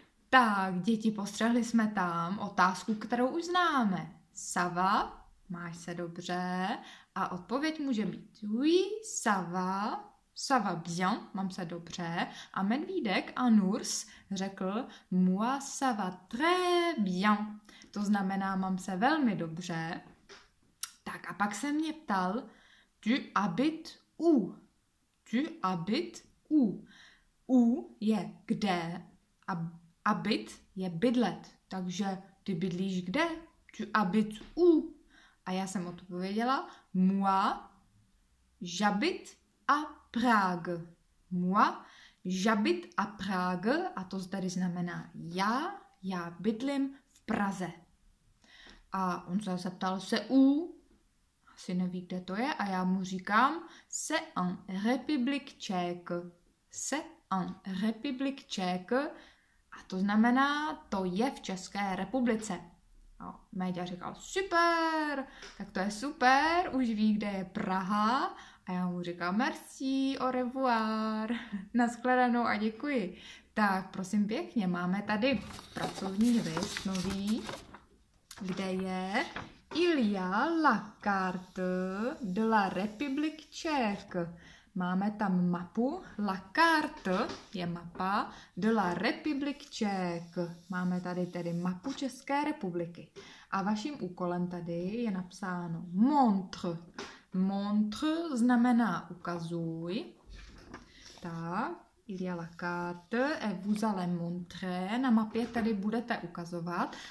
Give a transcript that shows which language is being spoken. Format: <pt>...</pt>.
<cs>Tak, děti, postřehli jsme tam otázku, kterou už známe.</cs> <fr>Ça va?</fr> <cs>Máš se dobře? A odpověď může být</cs> <fr>oui, ça va bien,</fr> <cs>mám se dobře. A medvídek, un ours, řekl</cs> <fr>moi, ça va très bien.</fr> <cs>To znamená, mám se velmi dobře. Tak a pak se mě ptal,</cs> <fr>tu habites où? Tu habites où? Où</fr> <cs>je kde? A habit je bydlet. Takže ty bydlíš kde?</cs> <fr>Tu habites où?</fr> <cs>A já jsem odpověděla,</cs> <fr>moi, j'habite à Prague. Moi, j'habite à Prague.</fr> <cs>A to tady znamená já bydlím v Praze. A on se zeptal,</cs> <fr>c'est où?</fr> <cs>Asi neví, kde to je. A já mu říkám,</cs> <fr>c'est en République tchèque. C'est en République tchèque.</fr> <cs>A to znamená, to je v České republice. No, Méďa říkal, super, tak to je super, už ví, kde je Praha. A já mu říkám,</cs> <fr>merci, au revoir,</fr> <cs>naschledanou a děkuji. Tak, prosím pěkně, máme tady pracovní list nový, kde je</cs> <fr>Il y a la carte de la République tchèque.</fr> <cs>Máme tam mapu, la carte je mapa</cs> <fr>de la République tchèque.</fr> <cs>Máme tady tedy mapu České republiky. A vaším úkolem tady je napsáno montre. Montre znamená ukazuj.</cs> <fr>Tak, il y a la carte et vous allez montrer.</fr> <cs>Na mapě tady budete ukazovat.</cs>